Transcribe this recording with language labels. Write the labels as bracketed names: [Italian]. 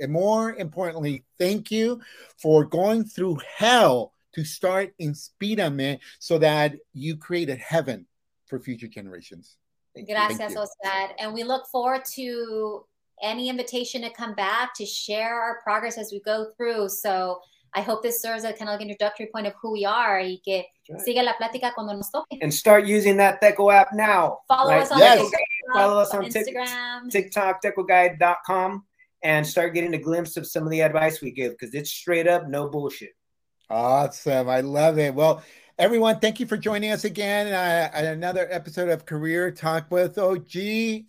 [English] And more importantly, thank you for going through hell to start Inspírame so that you create a heaven for future generations. [Spanish] Gracias, Oscar. [English] And we look forward to any invitation to come back to share our progress as we go through. So I hope this serves a kind of like introductory point of who we are. [Spanish] Y que sigue la plática cuando nos toque. [English] And start using that Teco app now. Follow us on Instagram. TikTok, tecoguide.com, and start getting a glimpse of some of the advice we give, because it's straight up, no bullshit. Awesome. I love it. Well, everyone, thank you for joining us again on another episode of Career Talk with OG.